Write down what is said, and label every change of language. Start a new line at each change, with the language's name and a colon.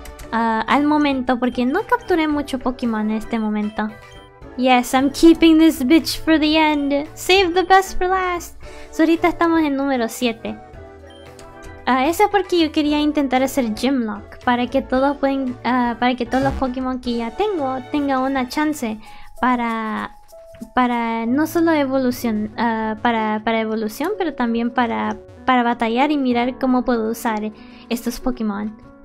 Spanish: Al momento, porque no capturé mucho Pokémon en este momento.
English: Yes, I'm keeping this bitch for the end. Save the best for last. So
Spanish: ahorita estamos en número 7. Eso es porque yo quería intentar hacer Gymlock. Para que todos los Pokémon que ya tengo tengan una chance para no solo evolución, para evolución, pero también para batallar y mirar cómo puedo usar estos Pokémon.